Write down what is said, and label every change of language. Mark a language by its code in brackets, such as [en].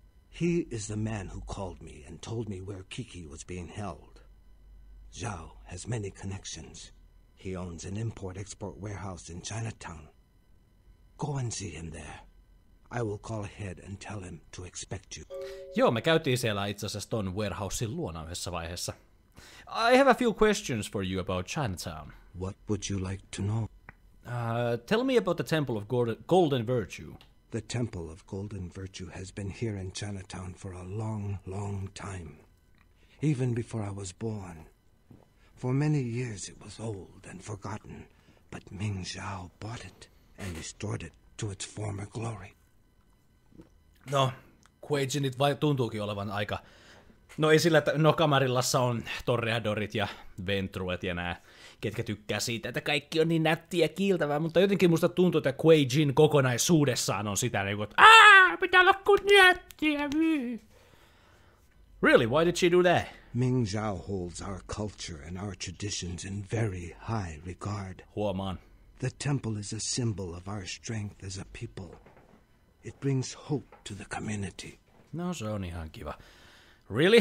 [en] He is the man who called me and told me where Kiki was being held. Zhao has many connections. He owns an import-export warehouse in Chinatown. Go and see him there. I will call ahead and tell him to expect you. [fi] Joo, me käytiin siellä itse asiassa ton warehousein luona yhdessä vaiheessa. [en] I have a few questions for you about Chinatown. What would you like to know? Tell me about the Temple of Golden Virtue. The Temple of Golden Virtue has been here in Chinatown for a long, long time. Even before I was born. For many years it was old and forgotten, but Ming Zhao bought it and restored it to its former glory. [fi] No, Quajinit tuntuukin olevan aika... No ei sillä, että no kamarillassa on toreadorit ja ventruet ja nää, ketkä tykkää siitä, että kaikki on niin nättiä ja kiiltävää, mutta jotenkin musta tuntuu, että Quajin kokonaisuudessaan on sitä, niin kuin, että pitää olla kun nättiä. [en] Really, why did she do that? Ming Zhao holds our culture and our traditions in very high regard. [fi] Huomaan. [en] The temple is a symbol of our strength as a people. It brings hope to the community. [fi] No, se on ihan kiva. [en] Really?